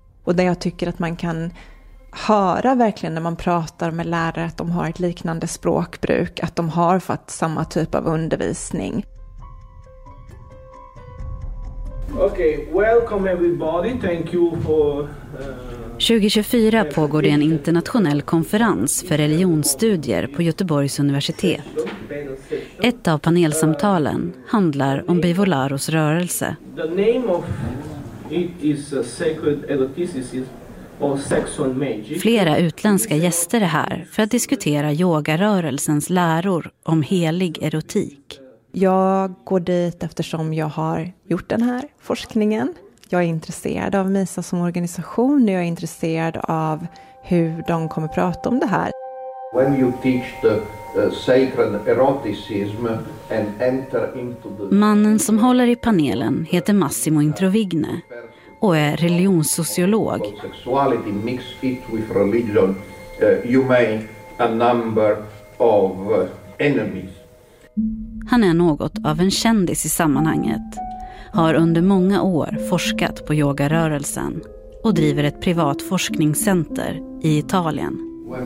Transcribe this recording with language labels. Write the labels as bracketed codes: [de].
[sv] Och det jag tycker att man kan höra verkligen när man pratar med lärare, att de har ett liknande språkbruk, att de har fått samma typ av undervisning. [en] Okay, welcome everybody. Thank you for [sv] 2024 pågår det en internationell konferens för religionsstudier på Göteborgs universitet. Ett av panelsamtalen handlar om Bivolaros rörelse. [en] The name of it is sacred eroticism or sexual magic. [sv] Flera utländska gäster är här för att diskutera yogarörelsens läror om helig erotik. Jag går dit eftersom jag har gjort den här forskningen. Jag är intresserad av MISA som organisation, och jag är intresserad av hur de kommer prata om det här. [en] When you teach the sacred eroticism and enter into the... [sv] Mannen som håller i panelen heter Massimo Introvigne och är religionssociolog. [en] Sexuality mixed it with religion, you may a number of enemies. [sv] Han är något av en kändis i sammanhanget. Har under många år forskat på yogarörelsen och driver ett privat forskningscenter i Italien.